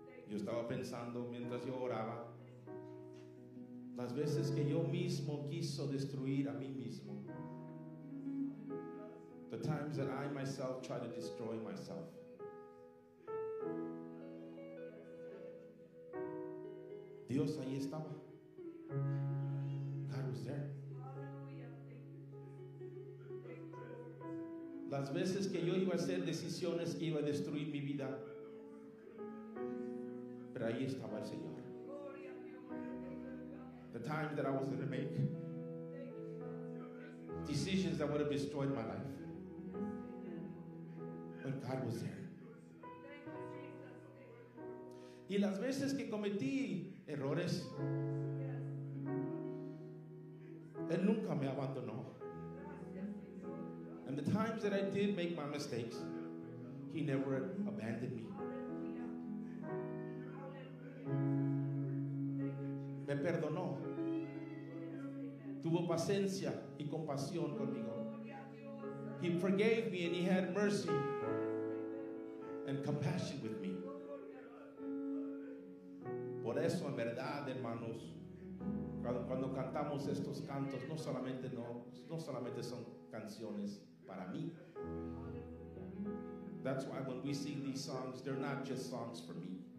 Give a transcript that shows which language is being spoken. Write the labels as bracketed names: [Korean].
[Spanish] Yo estaba pensando mientras yo oraba las veces que yo mismo quiso destruir a mí mismo. [English] The times that I myself tried to destroy myself. [Spanish] Dios ahí estaba. [English] God was there. [Spanish] Las veces que yo iba a hacer decisiones que iba a destruir mi vida. Pero ahí estaba el Señor. [English] The time that I was going to make decisions that would have destroyed my life. But God was there. [Spanish] Y las veces que cometí errores, Él nunca me abandonó. [English] And the times that I did make my mistakes, He never abandoned me. [Spanish] Me perdonó, tuvo paciencia y compasión conmigo. [English] He forgave me and He had mercy and compassion with me. [Spanish] Por eso, en verdad, hermanos, cuando cantamos estos cantos, no solamente son canciones para mí. [English] That's why when we sing these songs, they're not just songs for me.